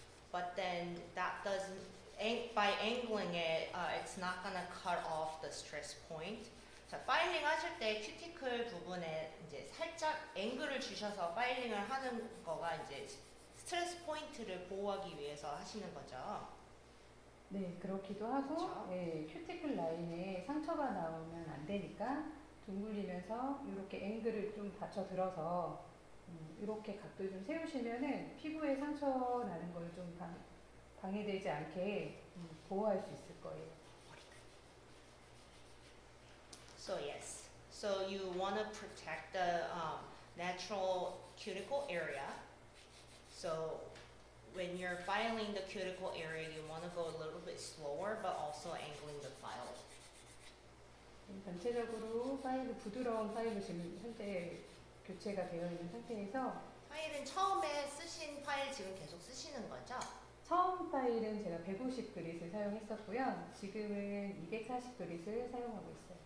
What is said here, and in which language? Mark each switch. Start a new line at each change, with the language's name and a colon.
English: But then that doesn't, by angling it, it's not gonna cut off the stress point.
Korean: 자, 파일링 하실 때 큐티클 부분에 이제 살짝 앵글을 주셔서 파일링을 하는 거가 이제 스트레스 포인트를 보호하기 위해서 하시는 거죠. 네, 그렇기도 하고 그렇죠? 예, 큐티클 라인에 상처가 나오면 안 되니까 둥글리면서 이렇게 앵글을 좀 받쳐 들어서 이렇게 각도 좀 세우시면은 피부에 상처 나는 걸 좀 방해되지 않게 보호할 수 있을 거예요.
English: So yes, so you want to protect the natural cuticle area. So when you're filing the cuticle area, you want to go a little bit slower, but also angling the file.
Korean: 전체적으로 파일이 부드러운 파일이신 상태에 교체가 되어 있는 상태에서 파일은 처음에 쓰신 파일 지금 계속 쓰시는 거죠? 처음 파일은 제가 150 그릿을 사용했었고요. 지금은 240 그릿을 사용하고 있어요.